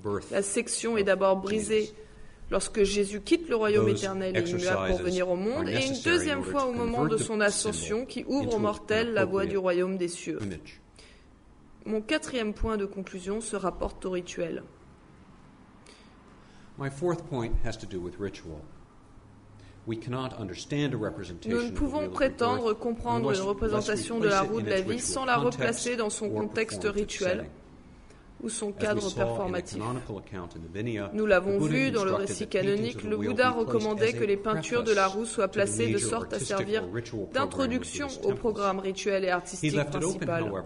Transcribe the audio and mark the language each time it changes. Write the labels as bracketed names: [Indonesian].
[French] La section est d'abord brisée lorsque Jésus quitte le royaume éternel et lui a pour venir au monde, et une deuxième fois au moment de son ascension qui ouvre aux mortels la voie du royaume des cieux. Mon quatrième point de conclusion se rapporte au rituel. [English] My fourth point has to do with ritual. We cannot understand a representation. [French] Nous ne pouvons prétendre comprendre une représentation de la roue de la vie sans la replacer dans son contexte rituel ou son cadre performatif. Nous l'avons vu dans le récit canonique, le Bouddha recommandait que les peintures de la roue soient placées de sorte à servir d'introduction au programme rituel et artistique principal.